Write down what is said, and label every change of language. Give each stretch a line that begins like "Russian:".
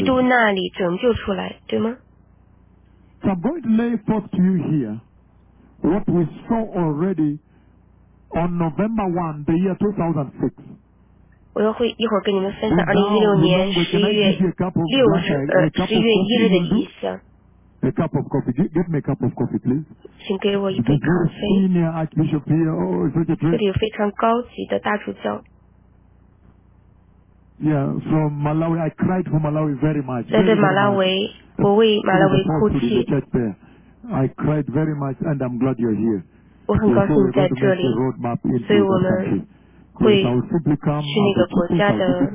Chinese: 基督那里拯救出来，对吗？
English: So I'm going to lay forth to you here what we saw already on November 1, the year 2006.
Chinese: 我要会一会儿跟你们分享2016年11月1日的意象。
English: A cup of coffee. Give me a cup of coffee, please.
Chinese: 请给我一杯咖啡。
English: The senior archbishop here, oh, it's such a pleasure.
Chinese: 这里有非常高级的大主教。
English: Yeah, from Malawi, I cried for Malawi very much.
Chinese: 在马拉维，我为马拉维哭泣。
English: I cried very much, and I'm glad you're here.
Chinese: 我很高兴在这里。所以我们会去那个国家的，